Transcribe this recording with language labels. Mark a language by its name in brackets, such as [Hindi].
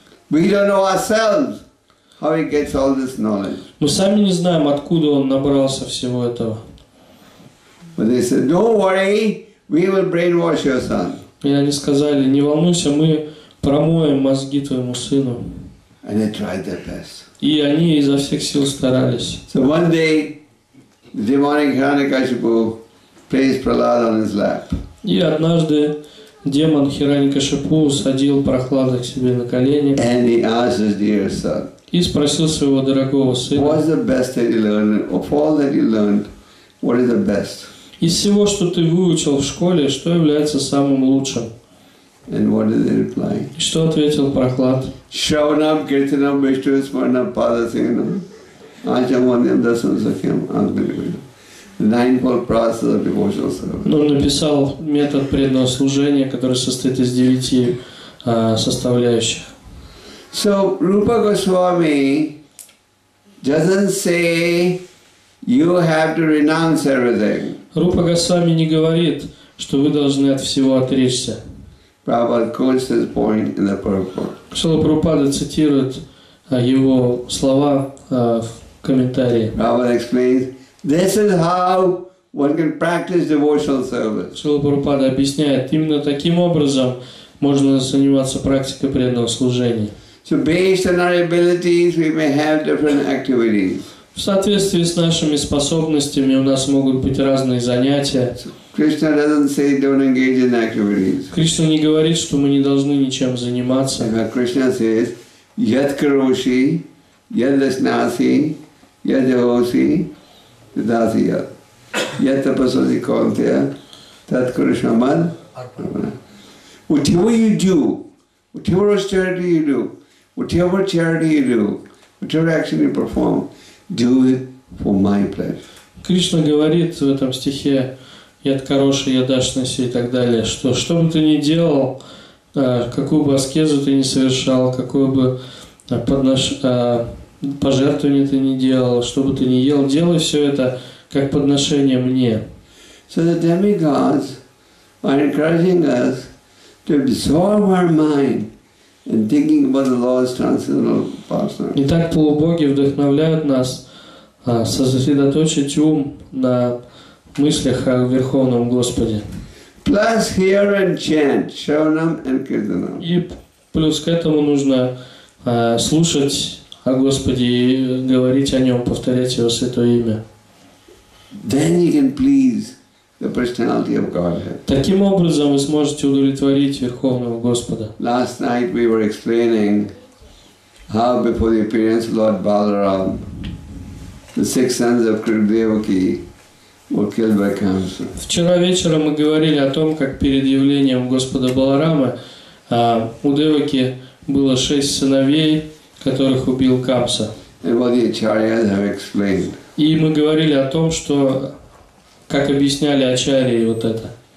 [English] We don't know ourselves how he gets all this knowledge. [Russian] Мы сами не знаем, откуда он набрался всего этого. [English] But they said, "Don't worry. We will brainwash your son." [Russian] И они сказали, не волнуйся, мы промоем мозги твоему сыну. [English] And they tried their best. [Russian] И они изо всех сил старались. [English] So one day, the demonic Hiranyakashipu placed Prahlad on his lap. [Russian] И однажды демон Хираньякашипу усадил Прахлада к себе на колени. [English] And he asked his dear son. [Russian] И спросил своего дорогого сына. [English] What is the best that you learned? Of all that you learned, what is the best? [Russian] Из всего, что ты выучил в школе, что является самым лучшим? [English] And what did they reply? [Russian] Что ответил Прахлад? [Sanskrit] Shravanam, Kirtanam, Vishnu Smaranam, Padasenam, Ajamanyam, Dasam, Sakyam, Angalivayam. [English] The ninefold process of devotional service. [Russian] Он написал метод преданного служения, который состоит из девяти составляющих. [English] So, Rupa Goswami doesn't say you have to renounce everything. [Russian] Рупа Госвами не говорит, что вы должны от всего отречься. [English] Prabhupada quotes this point in the Purport. [Russian] Шрила Прабхупада цитирует его слова в комментарии. [English] Prabhupada explains, this is how one can practice devotional service. [Russian] Шрила Прабхупада объясняет, именно таким образом можно заниматься практикой преданного служения. [English] So based on our abilities, we may have different activities. [Russian] В соответствии с нашими способностями у нас могут быть разные занятия. [English] Krishna doesn't say don't engage in activities. [Russian] Кришна не говорит, что мы не должны ничем заниматься. [Sanskrit] But Krishna says, yad karoshi, yad lasnasi, yad yavosi, yadasi yad. Yad tapasasi kaunteya, tad kurushamad. [English] Whatever you do, whatever austerity you do, whatever charity you do, whatever action you perform, do it for my pleasure. [Russian] Кришна говорит в этом стихе, [Sanskrit] яд хороший, яд дашнаси [Russian] и так далее, что бы ты ни делал, какую бы аскезу ты ни совершал, какую бы пожертвование ты ни делал, что бы ты ни ел, делай все это как подношение мне. [English] So the demigods are encouraging us to absorb our mind in thinking about the Lord's transcendental pastime. [Russian] Итак, полубоги вдохновляют нас сосредоточить ум на мыслях о Верховном Господе. [English] Plus hear and chant Shravanam and Kirtanam. [Russian] И плюс к этому нужно слушать о Господе и говорить о Нем, повторять Его Святое Имя. [English] Then you can please the personality of Godhead. [Russian] Таким образом вы сможете удовлетворить Верховного Господа. [English] Last night we were explaining how before the appearance of Lord Balaram, the six sons of Devaki were [Russian] Вчера вечером мы говорили о том, как перед явлением Господа Баларамы у Деваки было 6 сыновей, которых убил Камса. И мы говорили о том, что, как объясняли Ачарьи вот это.